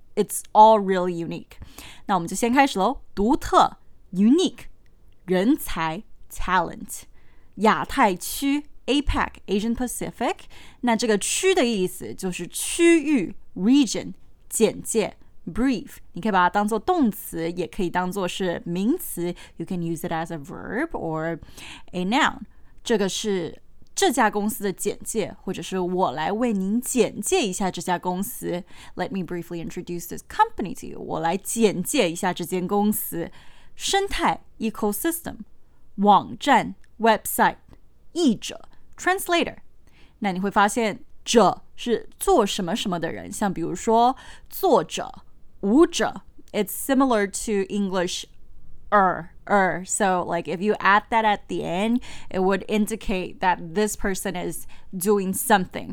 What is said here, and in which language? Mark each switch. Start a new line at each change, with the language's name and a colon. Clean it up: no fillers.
English: It's all really unique.
Chinese: 那我们就先开始咯。独特, unique, 人才, talent. 亚太区, APAC, Asian Pacific. 那这个区的意思就是区域, region, 简介, brief. 你可以把它当作动词，也可以当作是名词。
English: You can use it as a verb or a noun.
Chinese: 这个是 这家公司的简介，或者是我来为您简介一下这家公司。
English: Let me briefly introduce this company to you.
Chinese: 我来简介一下这间公司。生态 ecosystem, 网站 website, 译者 translator. 那你会发现者是做什么什么的人，像比如说作者、舞者。
English: It's similar to English. So like if you add that at the end, it would indicate that this person is doing something.